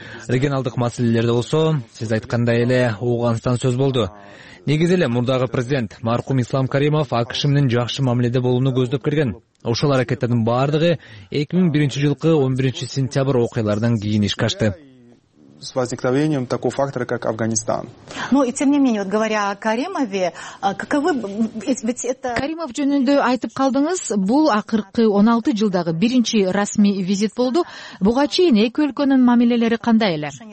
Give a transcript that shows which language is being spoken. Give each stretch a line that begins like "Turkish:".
Kyrgyz: Регионалдык маселелерде болсо, сиз айткандай эле Ооганстан сөз болду. Негиз эле мурдагы президент маркум Ислам Каримов АКШ менен жакшы мамиледе болууну көздөп келген. Ошол аракеттердин баардыгы 2001-жылкы 11-сентябрь окуяларынан кийин ишке ашты.
Russian: С возникновением такого фактора, как Афганистан. Ну и тем не менее, вот говоря о Каримове, каковы ведь это
Kyrgyz: Каримов жөнүндө айтып калдыңыз, бул акыркы 16 жылдагы биринчи расмий визит болду. Буга чейин эки өлкөнүн мамилелери кандай эле?